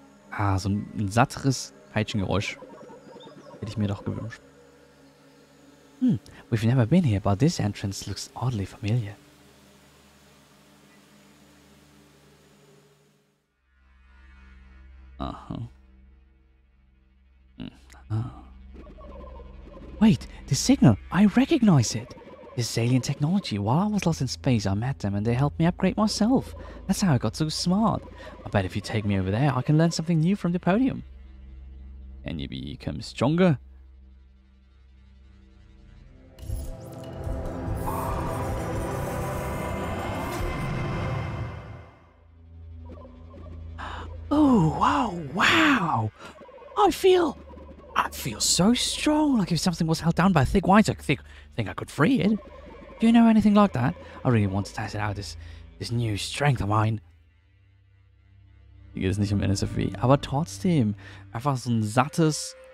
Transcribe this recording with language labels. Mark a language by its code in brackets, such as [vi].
[de] Ah, so ein satteres Peitschengeräusch hätte ich mir doch gewünscht. [en] We've never been here, but this entrance looks oddly familiar. Wait, the signal! I recognize it! This is alien technology. While I was lost in space, I met them and they helped me upgrade myself. That's how I got so smart. I bet if you take me over there, I can learn something new from the podium. And you become stronger. Oh, wow! I feel so strong, like if something was held down by a thick wire, I think I could free it. Do you know anything like that? I really want to test it out, this new strength of mine. [de] Hier geht es nicht um NSFW, aber trotzdem, einfach so ein sattes